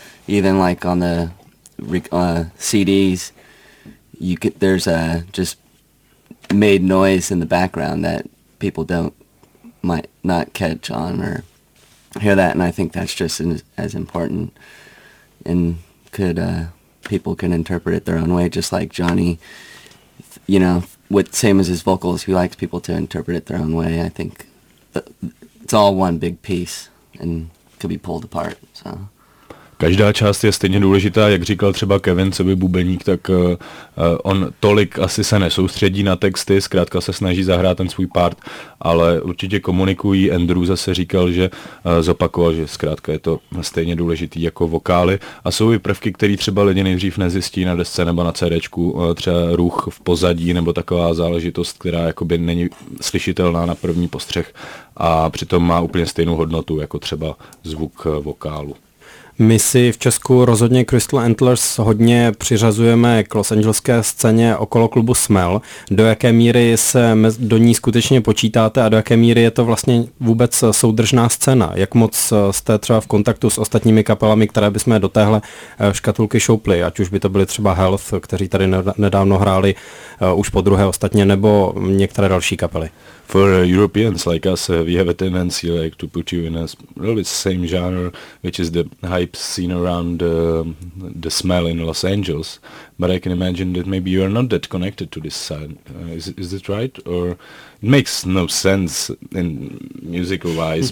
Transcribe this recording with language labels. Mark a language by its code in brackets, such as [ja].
[en] Even like on the CDs, you could, there's a just made noise in the background that people don't might not catch on or hear that, and I think that's just as important, and could people can interpret it their own way, just like Johnny, you know, with same as his vocals, he likes people to interpret it their own way. I think it's all one big piece and could be pulled apart. So [cs] každá část je stejně důležitá, jak říkal třeba Kevin, co by bubeník, tak on tolik asi se nesoustředí na texty, zkrátka se snaží zahrát ten svůj part, ale určitě komunikují. Andrew zase říkal, že zopakoval, že zkrátka je to stejně důležitý jako vokály. A jsou i prvky, které třeba lidi nejdřív nezjistí na desce nebo na CDčku, třeba ruch v pozadí nebo taková záležitost, která jakoby není slyšitelná na první postřeh a přitom má úplně stejnou hodnotu jako třeba zvuk vokálu. My si v Česku rozhodně Crystal Antlers hodně přiřazujeme k Los Angeleské scéně okolo klubu Smell. Do jaké míry se do ní skutečně počítáte a do jaké míry je to vlastně vůbec soudržná scéna? Jak moc jste třeba v kontaktu s ostatními kapelami, které bychom do téhle škatulky šoupli, ať už by to byly třeba Health, kteří tady nedávno hráli už po druhé ostatně, nebo některé další kapely? [en] For Europeans like us, we have a tendency like to put you in a little bit same genre, which is the hype scene around the Smell in Los Angeles. But I can imagine that maybe you are not that connected to this side. Is this right? Or it makes no sense in musical wise.